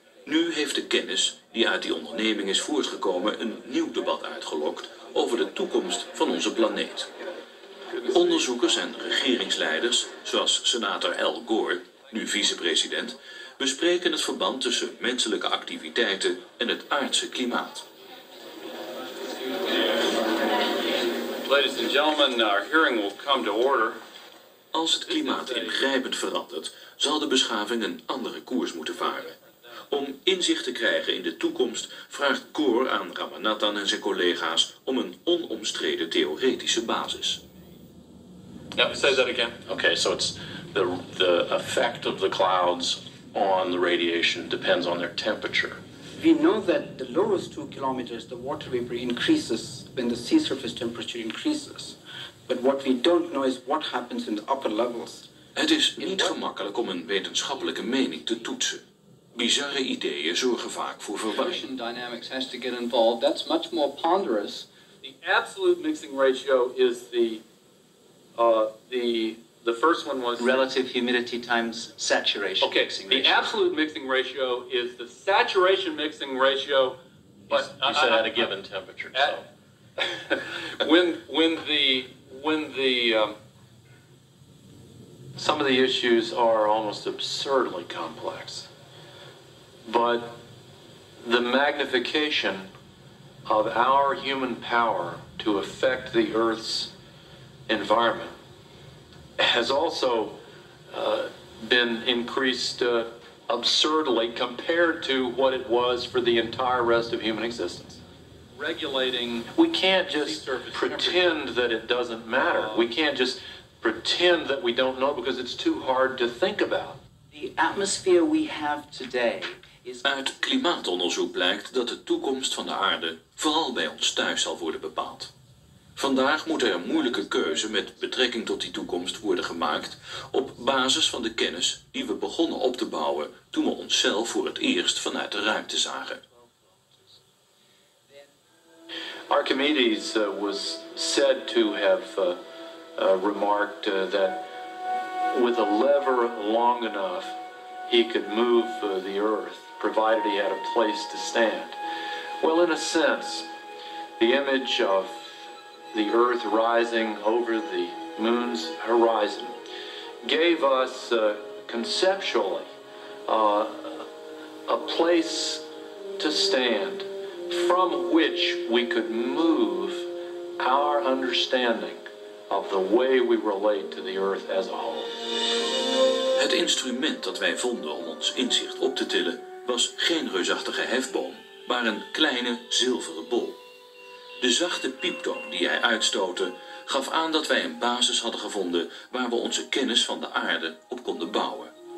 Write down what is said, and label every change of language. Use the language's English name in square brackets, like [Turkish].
[Dutch] Nu heeft de kennis die uit die onderneming is voortgekomen een nieuw debat uitgelokt over de toekomst van onze planeet. Onderzoekers en regeringsleiders, zoals senator Al Gore, nu vicepresident, bespreken het verband tussen menselijke activiteiten en het aardse klimaat. [English] Ladies and gentlemen, our hearing will come to order. [Dutch] Als het klimaat ingrijpend verandert, zal de beschaving een andere koers moeten varen. Om inzicht te krijgen in de toekomst vraagt Gore aan Ramanathan en zijn collega's om een onomstreden theoretische basis. [English] Yep, say that again. Okay, so it's the effect of the clouds on the radiation depends on their temperature. We know that the lowest 2 kilometers, the water vapor increases when the sea surface temperature increases. But what we don't know is what happens in the upper levels. [Dutch] Het is niet gemakkelijk om een wetenschappelijke mening te toetsen. Bizarre ideeën zorgen vaak voor verwarring. [English] Ocean dynamics has to get involved. That's much more ponderous. The absolute mixing ratio is the first one was relative humidity times saturation. Okay, mixing the ratio. Absolute mixing ratio is the saturation mixing ratio. But you said at a given temperature. So some of the issues are almost absurdly complex. But the magnification of our human power to affect the Earth's environment has also been increased absurdly compared to what it was for the entire rest of human existence. Regulating. We can't just pretend that it doesn't matter. We can't just pretend that we don't know because it's too hard to think about. The atmosphere we have today. [Dutch] Uit klimaatonderzoek blijkt dat de toekomst van de aarde vooral bij ons thuis zal worden bepaald. Vandaag moet er een moeilijke keuze met betrekking tot die toekomst worden gemaakt op basis van de kennis die we begonnen op te bouwen toen we onszelf voor het eerst vanuit de ruimte zagen. [English] Archimedes was said to have remarked that with a lever long enough he could move the earth. Provided he had a place to stand. Well, in a sense, the image of the Earth rising over the moon's horizon gave us conceptually a place to stand from which we could move our understanding of the way we relate to the Earth as a whole. [Dutch] Het instrument dat wij vonden om ons inzicht op te tillen was geen reusachtige hefboom, maar een kleine zilveren bol. De zachte pieptoon die hij uitstootte gaf aan dat wij een basis hadden gevonden waar we onze kennis van de aarde op konden bouwen.